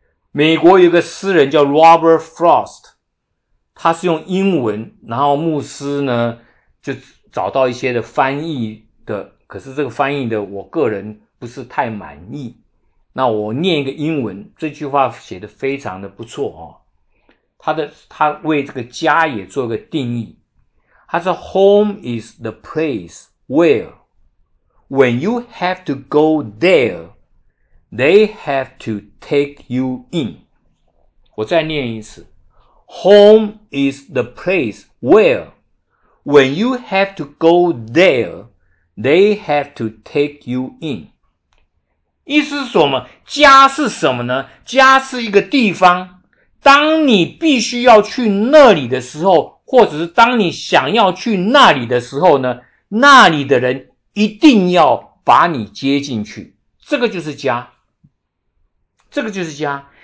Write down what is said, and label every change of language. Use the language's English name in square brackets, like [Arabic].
[Chinese] 美国有一个诗人叫 Robert Frost， 他是用英文，然后牧师呢就找到一些的翻译的，可是这个翻译的我个人不是太满意，那我念一个英文，这句话写得非常的不错哦。他为这个家也做个定义，他说 [English] Home is the place where when you have to go there, they have to take you in. [Chinese] 我再念一次。 [English] Home is the place where when you have to go there, they have to take you in. [Chinese] 意思是什么？家是什么呢？家是一个地方，当你必须要去那里的时候，或者是当你想要去那里的时候呢，那里的人一定要把你接进去，这个就是家，这个就是家。